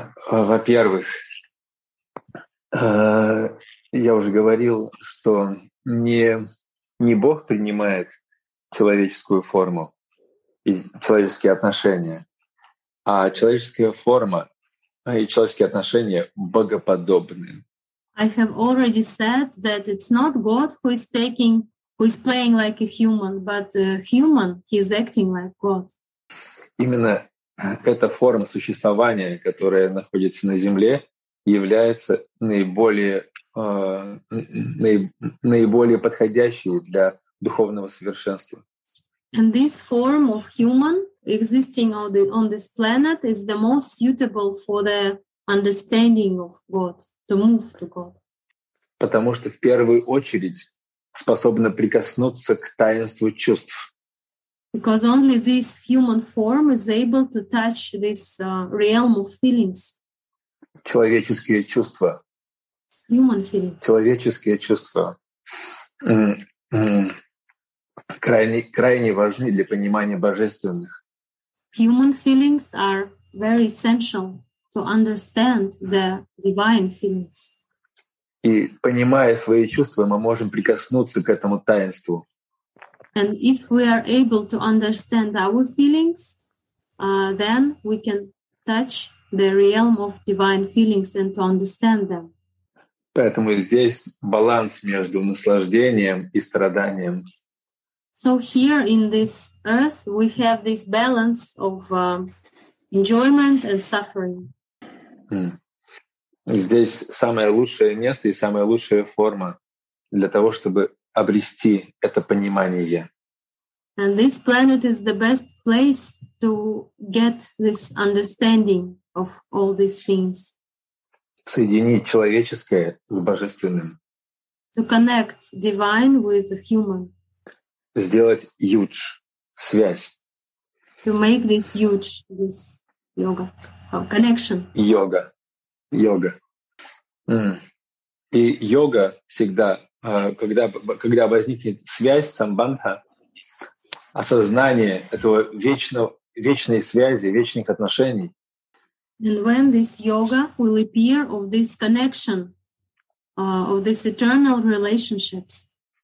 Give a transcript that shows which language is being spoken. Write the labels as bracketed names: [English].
[Russian] Во-первых, я уже говорил, что не Бог принимает человеческую форму и человеческие отношения, а человеческая форма и человеческие отношения богоподобны. [English] I have already said that it's not God who is taking, who is playing like a human, but a human, he is acting like God. [Russian] Именно эта форма существования, которая находится на Земле, является наиболее подходящей для духовного совершенства. [English] And this form of human existing on this planet is the most suitable for the understanding of God, to move to God. [Russian] Потому что в первую очередь способна прикоснуться к таинству чувств. [English] Because only this human form is able to touch this realm of feelings. [Russian] Человеческие чувства. [English] Human feelings. [Russian] Человеческие чувства крайне важны для понимания божественных. [English] Human feelings are very essential to understand the divine feelings. [Russian] И понимая свои чувства, мы можем прикоснуться к этому таинству. [English] And if we are able to understand our feelings, then we can touch the realm of divine feelings and to understand them. [Russian] Поэтому здесь баланс между наслаждением и страданием. [English] So here in this earth we have this balance of enjoyment and suffering. [Russian] Здесь самое лучшее место и самая лучшая форма для того, чтобы обрести это понимание. [English] And this planet is the best place to get this understanding of all these things. [Russian] Соединить человеческое с божественным. [English] To connect divine with the human. [Russian] Сделать юдж, связь. [English] To make this юдж, this yoga, connection. [Russian] Йога. И йога всегда, когда возникнет связь, самбандха, осознание этого вечной связи, вечных отношений. [English] And when this yoga will appear of this connection, of this eternal relationships.